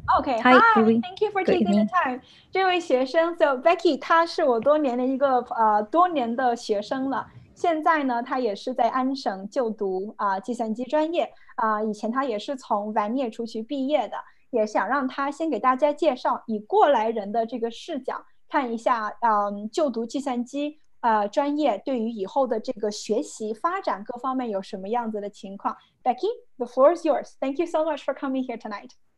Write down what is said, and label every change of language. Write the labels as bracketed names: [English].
[English] Okay, hi, thank you for taking the time. [Chinese] 这位学生 so Becky 他是我多年的一个多年的学生了，现在呢他也是在安省就读计算机专业以前他也是从兰涅出去毕业的，也想让他先给大家介绍以过来人的这个视角看一下，就读计算机专业对于以后的这个学习发展各方面有什么样子的情况。 [English] Becky, the floor is yours. Thank you so much for coming here tonight.